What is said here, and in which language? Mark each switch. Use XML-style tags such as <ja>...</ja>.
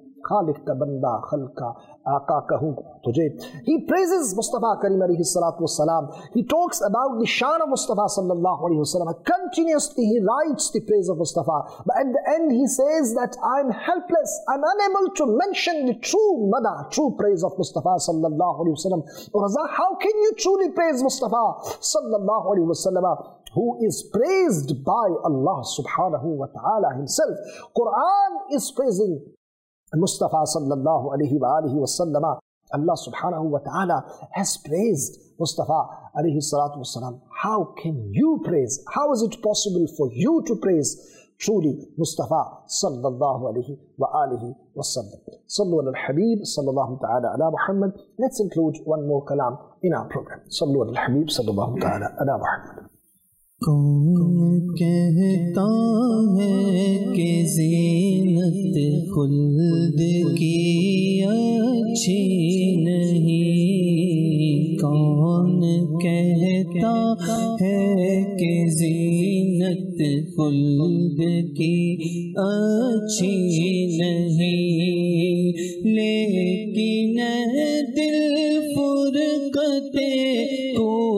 <ur>خالق کا بندہ خلق کا آقا کہوں تجھے.</ur> <en>He praises Mustafa Kareem alayhi salatu wasalam. He talks about the shan of Mustafa sallallahu alayhi wasalam. Continuously he writes the praise of Mustafa. But at the end he says that I'm helpless. I'm unable to mention the true mada, true praise of Mustafa sallallahu alayhi wasalam. Raza, how can you truly praise Mustafa sallallahu alayhi wasalam? who is praised by Allah subhanahu wa ta'ala himself. Quran is praising Mustafa sallallahu alayhi wa alihi wa sallam. Allah subhanahu wa ta'ala has praised Mustafa alayhi salatu wa salam. How can you praise? How is it possible for you to praise truly Mustafa sallallahu alayhi wa alihi wa sallam?</en> <ar>Sallu ala al-Habib sallallahu ta'ala ala Muhammad.</ar> <en>Let's include one more kalam in our program.</en> <ar>Sallu ala al-Habib sallallahu ta'ala ala Muhammad.</ar> <ur>کون کہتا ہے کہ زینت خلد کی اچھی نہیں کون کہتا ہے کہ زینت خلد کی اچھی نہیں لیکن دل فرقتے کو</ur>